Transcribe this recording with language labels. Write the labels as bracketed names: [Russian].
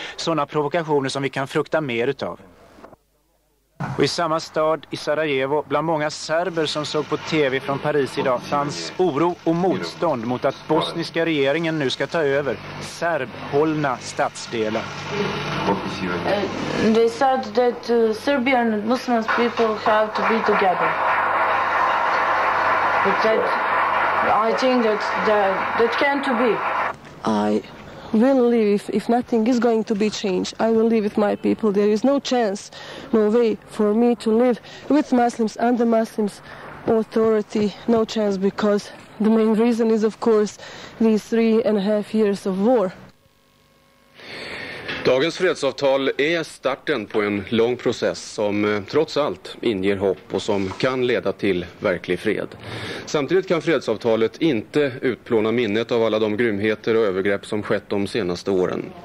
[Swedish] Sådana provokationer som vi kan frukta mer utav. Och i samma stad i Sarajevo, bland många serber som såg på tv från Paris idag, fanns oro och motstånd mot att bosniska regeringen nu ska ta över serbhållna stadsdelar. [English] They said that Serbian and Muslim people have to be together. But that, I think that that can't be. I will leave if nothing is going to be changed. I will leave with my people. There is no chance, no way for me to live with Muslims under Muslims authority. No chance, because the main reason is of course these 3.5 years of war. [Swedish] Dagens fredsavtal är starten på en lång process som trots allt inger hopp och som kan leda till verklig fred. Samtidigt kan fredsavtalet inte utplåna minnet av alla de grymheter och övergrepp som skett de senaste åren.